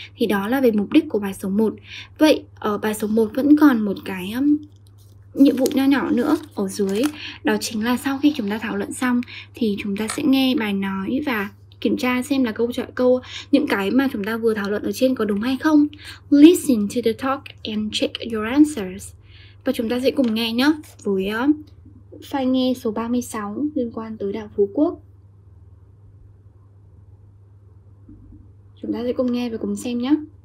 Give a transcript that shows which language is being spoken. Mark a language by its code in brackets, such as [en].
[vi] Thì đó là về mục đích của bài số 1. Vậy ở bài số 1 vẫn còn một cái nhiệm vụ nho nhỏ nữa ở dưới, đó chính là sau khi chúng ta thảo luận xong thì chúng ta sẽ nghe bài nói và kiểm tra xem là câu những cái mà chúng ta vừa thảo luận ở trên có đúng hay không. [en] Listen to the talk and check your answers. [vi] Và chúng ta sẽ cùng nghe nhé với file nghe số 36 liên quan tới đảo Phú Quốc. Chúng ta sẽ cùng nghe và cùng xem nhé.